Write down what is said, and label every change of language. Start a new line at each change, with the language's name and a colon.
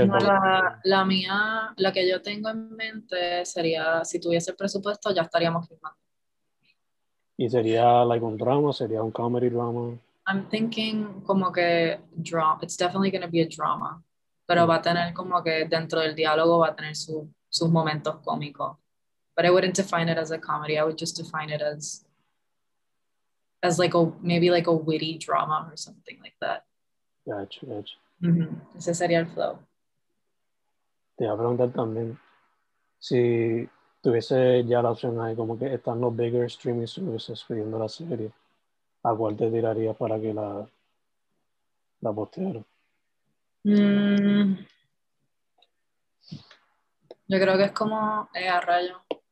Spanish: el la mía, la que yo tengo en mente sería, si tuviese el presupuesto, ya estaríamos filmando. ¿Y sería
English: like
Spanish: un drama? ¿Sería un
English: comedy drama? I'm thinking
Spanish: como que drama.
English: It's definitely going to be a drama.
Spanish: Pero va a tener como que dentro del diálogo va a tener sus momentos cómicos.
English: But I wouldn't define it as a comedy. I would just define it as like a, maybe like a witty drama or something like that. Gotcha.
Spanish: Ese sería el flow. Te voy a preguntar también si tuviese ya la opción ahí, como que están los
English: bigger streaming services
Spanish: pidiendo la serie, ¿a cuál te tirarías para que la postearan? Yo creo que es como a rayo.